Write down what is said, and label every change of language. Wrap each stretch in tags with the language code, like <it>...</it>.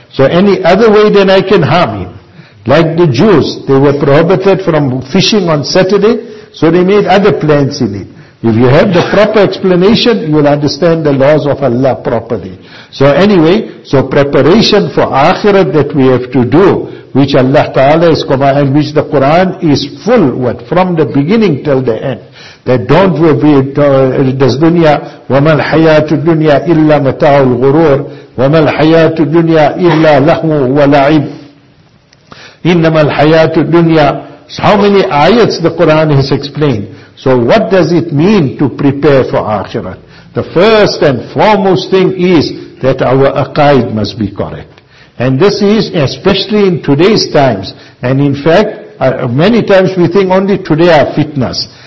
<en>So any other way then I can harm him. Like the Jews, they were prohibited from fishing on Saturday, so they made other plans in it. If you have the proper explanation, you will understand the laws of Allah properly. So anyway, so preparation for akhirah that we have to do, which Allah Ta'ala is commanding, and which the Quran is full with, from the beginning till the end. That don't we be, does dunya,</en> <ar>وَمَا الْحَيَاةُ الدُّنْيَا إِلَّا مَتَاعُ الْغُرُورِ وَمَا الْحَيَاةُ الدُّنْيَا إِلَّا لَهْوٌ وَلَعِبٌ إِنَّمَا الْحَيَاةُ الدُّنْيَا.</ar> <en>How many ayats the Quran has explained. So what does it mean to prepare for akhirat? The first and foremost thing is that our aqaid must be correct. And this is especially in today's times. And in fact, many times we think only today are fitnas.</en>